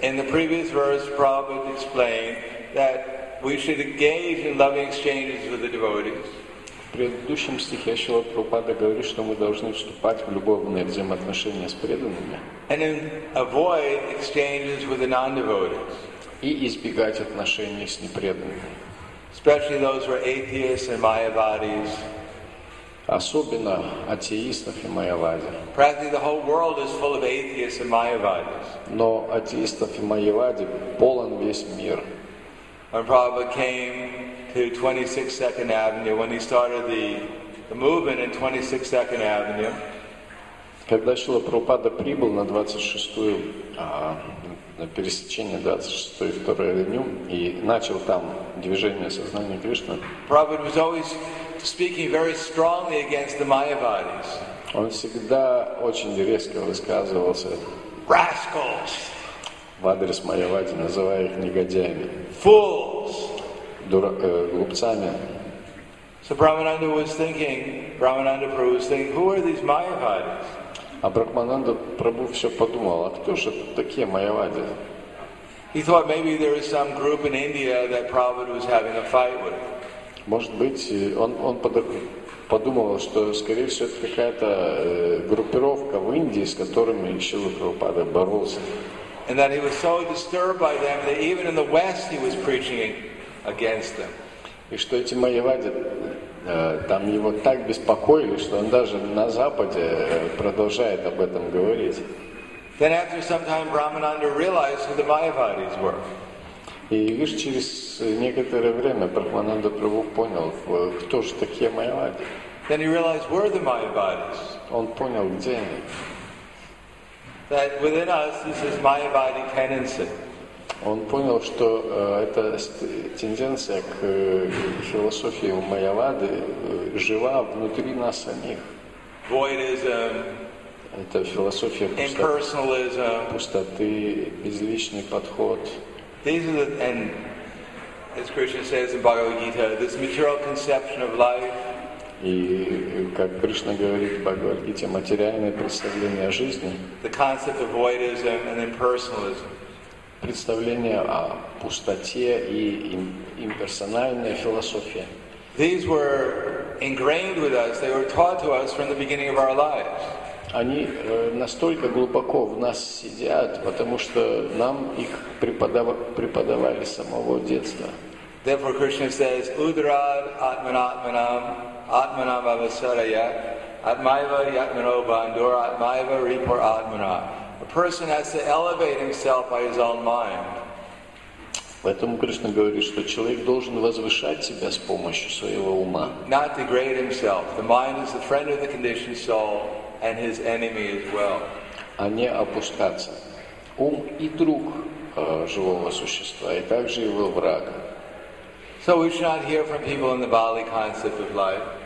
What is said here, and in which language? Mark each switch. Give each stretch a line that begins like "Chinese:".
English: In the previous verse, Prabhupada explained that we should engage in loving exchanges with the devotees.
Russian: В предыдущем стихе Шрила Прабхупада говорит, что мы должны вступать в любовные взаимоотношения с преданными
English: and avoid exchanges with the non-devotees.
Russian: И избегать отношений с непреданными.
English: Especially those who are atheists and mayavadis.
Russian: Особенно атеистов и майявади.
English: Practically the whole world is full of atheists and mayavadis.
Russian: Но атеистов и майявади полон весь мир.
English: When Prabhupada came to 26 Second Avenue, when he started the movement in 26 Second Avenue.
Russian: Когда Шрила Прабхупада прибыл на 26-ю, на пересечение 26-й и 2-й авеню, и начал там движение сознания Кришны,
English: Prabhupada was always speaking very strongly against the Mayavadis.
Russian: Он всегда очень резко высказывался.
English: Rascals.
Russian: В адрес Майявади, называя их негодяями.
English: Fools.
Russian: Глупцами.
English: So Brahmananda Prabhu was thinking, who are these Mayavadis?
Russian: А Брахмананда Прабху все подумал, а кто же такие Майявади?
English: He thought maybe there is some group in India that Prabhupada was having a fight with.
Russian: Может быть, он подумал, что, скорее всего, это какая-то группировка в Индии, с которыми Шрила Прабхупада боролся.
English: And that he was so disturbed by them that even in the West he was preaching against them.
Russian: И что эти майявади там его так беспокоили, что он даже на Западе продолжает об этом говорить.
English: Then after some time, Brahmananda realized who the Mayavadis were.
Russian: И лишь через некоторое время Брахмананда Прабху понял, кто же такие майявади.
English: Then he realized where the Mayavadis.
Russian: Он понял, где они.
English: That within us this is Mayavadi tendency.
Russian: Он понял, что эта тенденция к философии майявади жива внутри нас самих.
English: Voidism.
Russian: Это философия пустоты, безличный подход.
English: And as Krishna says in Bhagavad Gita, this material conception of life.
Russian: И как Кришна говорит в Бхагавад Гите, материальное представление о жизни.
English: The concept of voidism and impersonalism.
Russian: Представление о пустоте и имперсональная философия.
English: These were ingrained with us. They were taught to us from the beginning of our lives.
Russian: Они настолько глубоко в нас сидят, потому что нам их преподавали с самого детства.
English: Therefore Krishna says,
Sanskrit: Udrad Atmanatmanam, Atmanam Avasaraya, Atmaiva Yatmano Bandura, Atmaiva Ripur Atmana.
English: A person has to elevate himself by his own mind.
Russian: Поэтому Кришна говорит, что человек должен возвышать себя с помощью своего ума.
English: Not degrade himself. The mind is the friend of the conditioned soul. And his enemy as well.
Russian: А не опускаться. Ум и друг живого существа, и также его враг.
English: So we should not hear from people in the Bali concept of life.